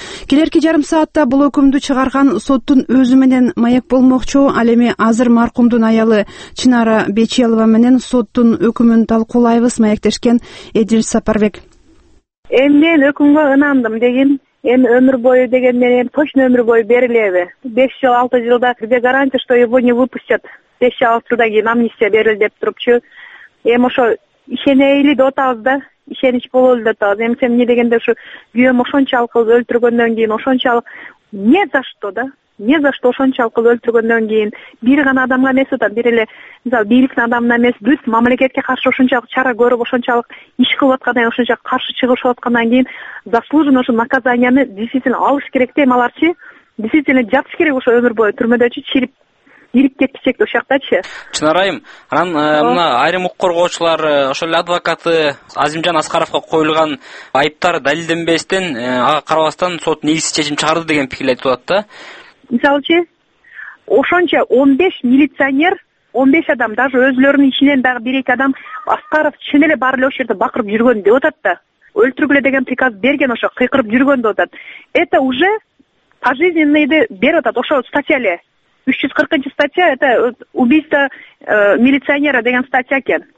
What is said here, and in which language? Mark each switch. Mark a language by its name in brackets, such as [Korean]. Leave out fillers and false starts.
[Kyrgyz] Келерки жарым саатта бул өкүмдү чыгарган соттун өзү менен маек болмокчу, ал эми азыр маркумдун аялы Чынара Бечелова менен соттун өкүмүн талкуулайбыз, маектешкен Эдил Сапарбек. Эми мен өкүмгө ынандым деген, эми өмүр бою деген менен точно өмүр бою берилеби? 5-6 жылда бизге [Russian] гарантия, что его не выпустят. [Kyrgyz] 5-6 жылдан кийин амнистия берил деп турупчу. Эми ошо ишенейли деп атабыз да, ишенич бололу деп атабыз. Эми сен эмне дегенде ушу күйөөм ошончалык кылып өлтүргөндөн кийин ошончалык [Russian] не за что [Kyrgyz] да? [Russian] Не за что [Kyrgyz] ошончалык кылып өлтүргөндөн кийин бир гана адамга эмес атат, бир эле мисалы бийликтин адамына эмес, бүт мамлекетке каршы ошончалык чара көрүп, ошончалык иш кылып аткандан кийин, ошончалык каршы чыгышып аткандан кийин [Russian] заслуженный [Kyrgyz] ушу наказанияны [Russian] действительно [Kyrgyz] алыш керек да, эми аларчы действительно жатыш керек ошо өмүр бою түрмөдөчү, чирип ирип кетпесек да ошол жактачы. Чынар айым, анан мына айрым укук коргоочулар ошол эле адвокаты Азимжан Аскаровго коюлган айыптар далилденбестен, ага карабастан сот негизсиз чечим чыгарды деген пикир айтып атат да. Мисалычы, ошончо 15 милиционер, 15 адам, даже өзүлөрүнүн ичинен дагы бир эки адам Аскаров чын эле баары эле ошол жерде бакырып жүргөн деп атат да. Өлтүргүлө деген приказ берген, ошо кыйкырып жүргөн деп атат. [Russian] Это уже [Kyrgyz] пожизненныйды берип атат, ошол статья эле. 340-статья, [Russian] это убийство милиционера [Kyrgyz] деген статья экен.